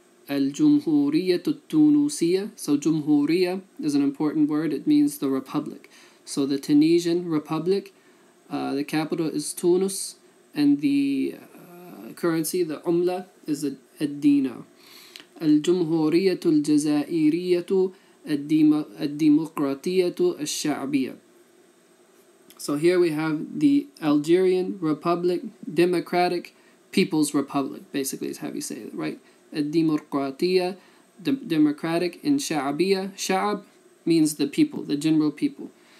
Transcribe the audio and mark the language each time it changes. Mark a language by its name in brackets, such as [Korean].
[Arabic] الجمهورية التونسية, [English] so جمهورية is an important word, it means the republic. So the Tunisian Republic, the capital is Tunis, and the currency, the umla, is الدينار. [Arabic] الجمهورية الجزائرية الديمقراطية الشعبية. [English] So here we have the Algerian Republic, Democratic People's Republic, basically is how you say it, right? الديمقراطية, democratic, in شعبية, شعب means the people, the general people.